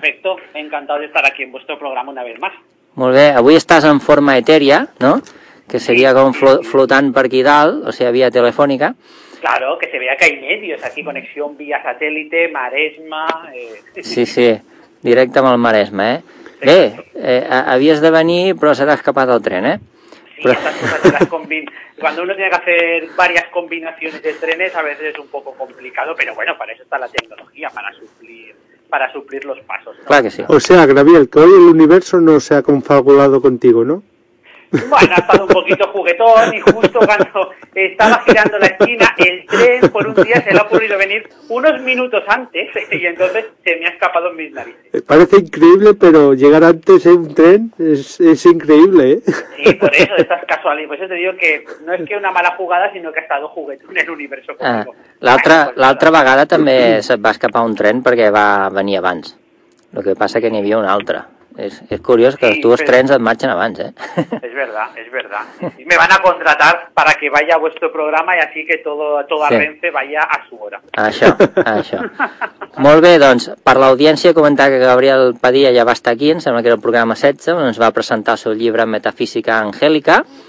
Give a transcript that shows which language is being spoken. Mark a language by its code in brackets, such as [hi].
[es] Perfecto, encantado de estar aquí en vuestro programa una vez más. [ca] Molt bé, avui estàs en forma etèria, no? Que seria com flotant per aquí dalt, o sigui, via telefònica. [es] Claro, que se vea que hay medios aquí, conexión vía satélite, maresma... [ca] Sí, sí. Directe amb el Maresme, eh? Sí, bé, havies de venir, però s'ha escapat el tren, eh? Sí, però... [es] quan uno tiene que hacer varias combinaciones de trenes, a veces es un poco complicado, pero bueno, para eso está la tecnología, para suplir los pasos. ¿No? Claro que sí. O sea, Gabriel, que hoy el universo no se ha confabulado contigo, ¿no? Bueno, ha estado un poquito juguetón y justo cuando estaba girando la esquina, el tren por un día se le ha ocurrido venir unos minutos antes y entonces se me ha escapado en mis narices. Parece increíble, pero llegar antes en un tren es increíble, ¿eh? Sí, por eso, estas casualidades. Pues yo te digo que no es que una mala jugada, sino que ha estado juguetón el universo. [ca] L'altra vegada també se't va escapar un tren perquè va venir abans. Lo que pasa que n'hi havia un altre. És curiós que sí, els teus trens et marxen abans, eh? [es] És verdad, és verdad. Me van a contratar para que vaya a vuestro programa y así que toda sí. Renfe vaya a su hora. [ca] Això, això. Molt bé, doncs, per l'audiència comentar que Gabriel Padilla ja va estar aquí, em sembla que era el programa 16, on ens va presentar el seu llibre Metafísica Angèlica.